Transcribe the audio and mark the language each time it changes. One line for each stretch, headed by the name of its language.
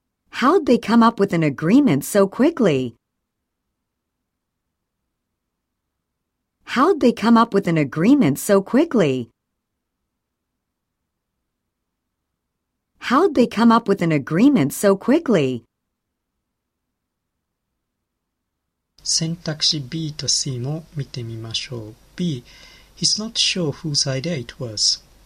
English: How did they come up with an agreement so quickly? How'd they come up with an agreement so quickly? How'd they come up with an agreement so quickly?
Japanese: 選択肢 B と C も見てみましょう。
English: B, he's not sure whose idea it was.